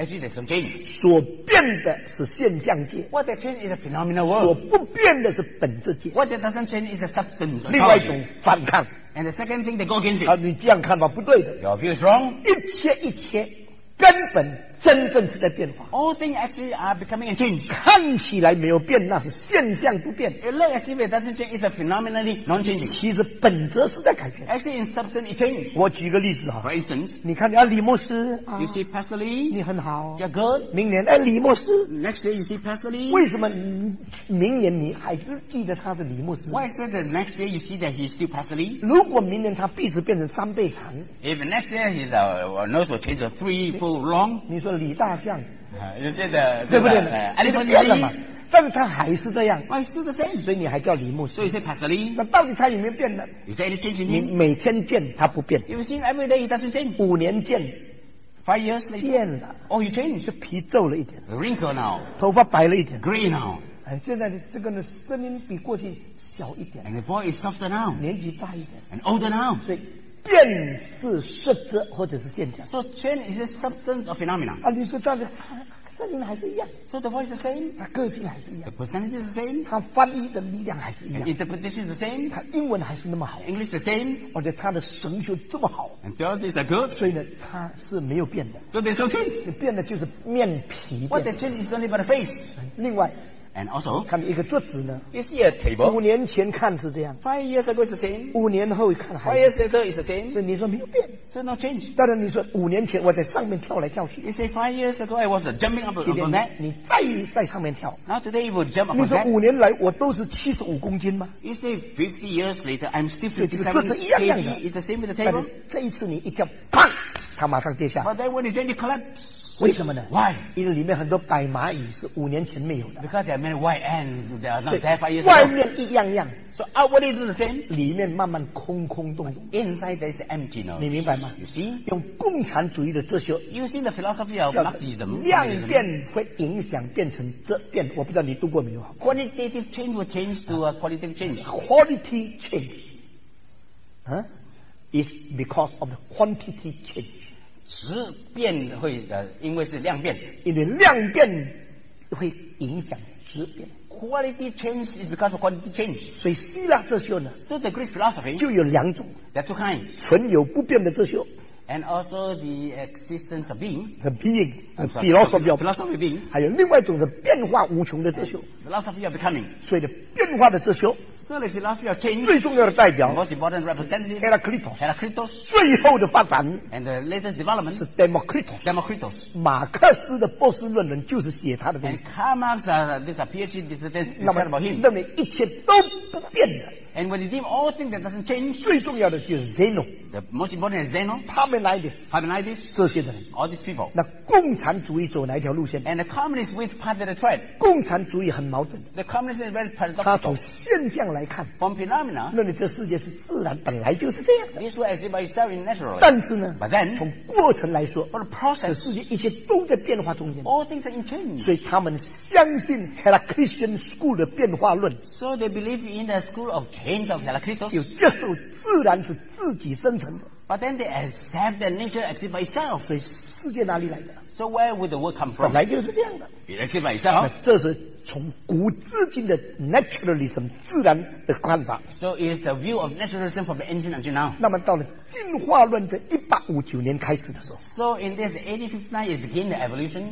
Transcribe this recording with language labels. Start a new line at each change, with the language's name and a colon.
English: actually there's some change
Chinese: 所变的是现象界
English: what they change is a phenomenal world
Chinese: 所不变的是本质界
English: What that doesn't change is a substance.
Chinese: 另外一种反抗。
English: And the second thing they go against it.
Chinese: 啊，你这样看法不对的。
English: Your view is wrong.
Chinese: 一切一切根本真正是在变化。
English: All things actually are becoming a change.
Chinese: 看起来没有变，那是现象不变。
English: It looks as if it doesn't change is a phenomenally non-changing.
Chinese: 其实本质是在改变。
English: Actually, in substance, it changes.
Chinese: 我举个例子
English: For instance,
Chinese: 你看啊，李牧师。
English: You see Pastor Lee.
Chinese: 你很好。
English: You're good.
Chinese: 明年啊，李牧师。
English: Next year, you see Pastor Lee.
Chinese: 为什么明年你还是记得他是李牧师
English: ？Why is it that next year you see that he's still Pastor Lee?
Chinese: 如果明年他鼻子变成三倍长
English: ，If next year his nose will change to threefold long，
Chinese: 你说李大象，有些的对不对？哎，你变了嘛？但他还是这样
English: ，Why still the same？
Chinese: 所以你还叫李牧师？所以是 Pastor Lee。那到底他有没有变呢
English: ？Is there any change in him？
Chinese: 你每天见他不变
English: ，You see every day he doesn't change。
Chinese: 五年见
English: ，Five years later
Chinese: 变了
English: ，Oh you change，
Chinese: 是皮皱了一点
English: ，Wrinkle now，
Chinese: 头发白了一点
English: ，Gray now。
Chinese: 哎，现在这个呢，声音比过去小一点
English: ，And the voice is softer now，
Chinese: 年纪大一点
English: ，And older now，
Chinese: 所以。变是实质或者是现象。
English: So change is a substance or phenomenon.
Chinese: 啊，你说这样子，声音还是一样。
English: So the voice is the same.
Chinese: 他个性还是一样。
English: The personality is the same.
Chinese: 他翻译的力量还是一样。
English: And interpretation is the same.
Chinese: 他英文还是那么好。
English: English is the same.
Chinese: 而且他的神学这么好。
English: And theology is good.
Chinese: 所以呢，他是没有变的。
English: So there's no change.
Chinese: 变的就是面皮。
English: What the change is only about the face.
Chinese: 另外。
English: And also,
Chinese: 看一个桌子呢
English: ，You see a table.
Chinese: 五年前看是这样
English: ，Five years ago is the same.
Chinese: 五年后看还
English: ，Five years later is the same.
Chinese: 所以你说没有变
English: ，So no change.
Chinese: 当然你说五年前我在上面跳来跳去
English: ，You say five years ago I was jumping up on that.
Chinese: 你再上面跳
English: ，Now today you will jump up on that.
Chinese: 你说五年来我都是七十五公斤吗
English: ？You say 50 years later I'm still 57 kg. It's the same with the table.
Chinese: 这一次你一跳，砰，它马上跌下。
English: But then when you jump, you collapse.
Chinese: 为什么呢
English: ？Why？
Chinese: 因为里面很多白蚂蚁是五年前没有的。
English: Because there are many white ants that are not there 5 years ago.
Chinese: 外面一样样
English: ，so outwardly it's the same.
Chinese: 里面慢慢空空洞洞。
English: Inside there is emptiness.
Chinese: 你明白吗
English: ？You see？
Chinese: 用共产主义的哲学
English: ，using the philosophy of Marxism，
Chinese: 量变会影响变成质变。我不知道你读过没有
English: ？Quantitative change will change to a qualitative change. Quality change， is because of the quantity change.
Chinese: 质变会因为是量变，因为量变会影响质变。
English: Quality change is because of quantity change。
Chinese: 所以希腊哲学呢
English: ，So the Greek philosophy
Chinese: 就有两种
English: ，There are two kinds，
Chinese: 存有不变的哲学
English: ，and also the existence of being， the being， philosophy of philosophy of being，
Chinese: 还有另外一种的变化无穷的哲学
English: ，philosophy of becoming。
Chinese: 所以的变化的哲学。
English: 这里 philosophy of change
Chinese: 最重要的代表
English: ，most important representative Heraclitus
Chinese: 最后的发展
English: ，and the later development
Chinese: 是 Democritus
English: Democritus
Chinese: 马克思的博士论文就是写他的东西
English: ，and Karl Marx this PhD dissertation is about him
Chinese: 认为一切都不变的
English: ，and when you deem all things that doesn't change
Chinese: 最重要的就是 Zeno
English: the most important is Zeno
Chinese: Parmenides 这些的人
English: ，all these people
Chinese: 那共产主义走哪一条路线
English: ，and the communist which part of the trend
Chinese: 共产主义很矛盾
English: ，the communist is very paradoxical
Chinese: 他从现象来看
English: ，from phenomena，
Chinese: 那你这世界是自然本来就是这样的。
English: This was by itself naturally。
Chinese: 但是呢
English: ，but then，
Chinese: 从过程来说
English: ，for the process，
Chinese: 世界一切都在变化中间。
English: All things are in change。
Chinese: 所以他们相信 Heraclitian school 的变化论。
English: So they believe in the school of change of Heraclitus。
Chinese: 就接受自然是自己生成的。
English: But then they accept that nature exists by itself。
Chinese: 所以世界哪里来的
English: ？So where would the world come from？
Chinese: 本来就是这样的。
English: It exists by itself。
Chinese: 这是。从古至今的 naturalism 自然的看法。
English: So is the view of naturalism from the ancient until now.
Chinese: 那么到了进化论在1859年开始的时候。
English: So in this 1859, it began the evolution.